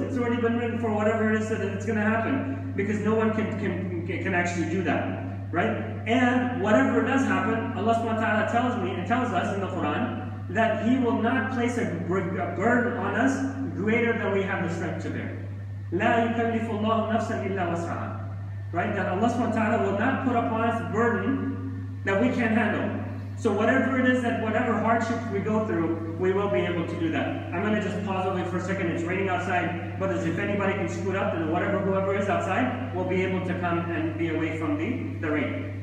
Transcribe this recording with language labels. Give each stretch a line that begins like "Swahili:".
English: It's already been written for whatever it is that it's going to happen. Because no one can actually do that. Right? And whatever does happen, Allah subhanahu wa ta'ala tells me and tells us in the Quran that He will not place a burden on us greater than we have the strength to bear.
Arabic: لا يكلف الله نفسا إلا وسعها.
English: Right, that Allah subhanahu wa ta'ala will not put upon us a burden that we can't handle. So whatever it is, that whatever hardship we go through, we will be able to do that. I'm going to just pause over for a second. It's raining outside. Brothers, if anybody can scoot up, then whoever is outside will be able to come and be away from the rain.